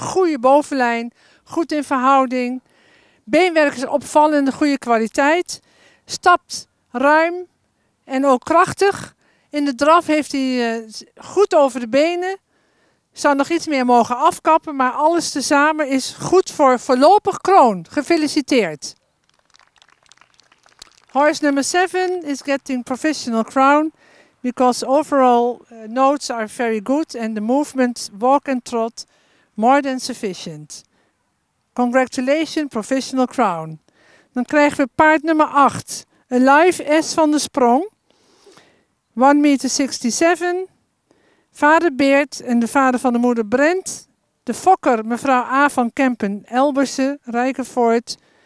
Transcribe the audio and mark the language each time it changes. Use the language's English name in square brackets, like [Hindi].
[Dutch] Goede bovenlijn. Goed in verhouding. Beenwerk is opvallend. Goede kwaliteit. Stapt ruim. En ook krachtig. In de draf heeft hij goed over de benen. Zou nog iets meer mogen afkappen. Maar alles tezamen is goed voor voorlopig kroon. Gefeliciteerd. [English] Horse number 7 is getting professional crown because overall notes are very good and the movement, walk and trot, more than sufficient. Congratulations, professional crown. [Dutch] Dan krijgen we paard nummer 8, a live S van de sprong. 1,67 meter. Vader Beert en de vader van de moeder Brent. De fokker, mevrouw A. van Kempen, Elbersen, Rijkenvoort.